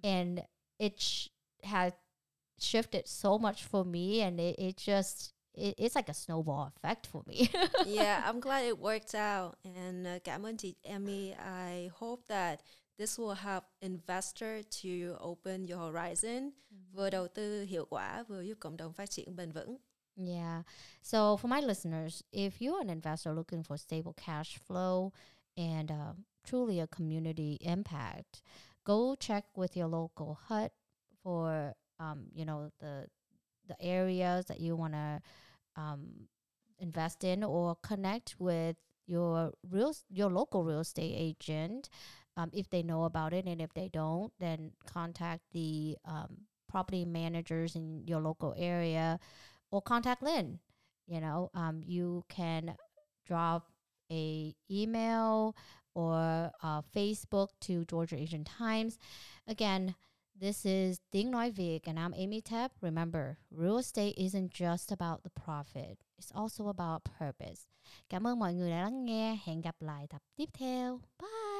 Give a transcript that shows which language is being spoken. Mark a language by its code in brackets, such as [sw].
[en] and it has shifted so much for me, and it's like a snowball effect for me. Yeah, I'm glad it worked out, and Gamundi, Emmy, I hope that this will help investor to open your horizon. [vi] Vừa đầu tư hiệu quả vừa giúp cộng đồng phát triển bền vững. [en] Yeah. So for my listeners, if you're an investor looking for stable cash flow and truly a community impact, go check with your local HUD for, you know, the areas that you want to invest in, or connect with your local real estate agent if they know about it. And if they don't, then contact the property managers in your local area. Or contact Lynn. You know, you can drop a email or Facebook to Georgia Asian Times. Again, this is Ding Noi Vic, and I'm Amy Tepp. Remember, real estate isn't just about the profit; it's also about purpose. [vi] Cảm ơn mọi người đã lắng nghe. Hẹn gặp lại tập tiếp theo. [en] Bye.